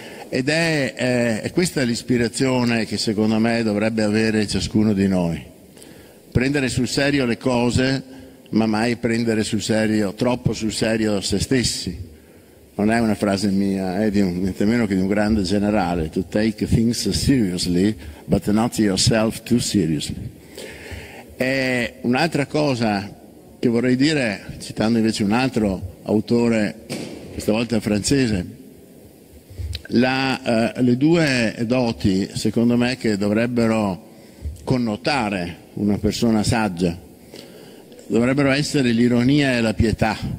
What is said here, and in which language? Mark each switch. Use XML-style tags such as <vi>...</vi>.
<it>Ed è questa l'ispirazione che secondo me dovrebbe avere ciascuno di noi. Prendere sul serio le cose, ma mai prendere sul serio, troppo sul serio se stessi. Non è una frase mia, è niente meno che di un grande generale.</it> <en>To take things seriously, but not yourself too seriously.</en> <it>E un'altra cosa che vorrei dire, citando invece un altro autore, questa volta francese, le due doti, secondo me, che dovrebbero connotare una persona saggia, dovrebbero essere l'ironia e la pietà.</it>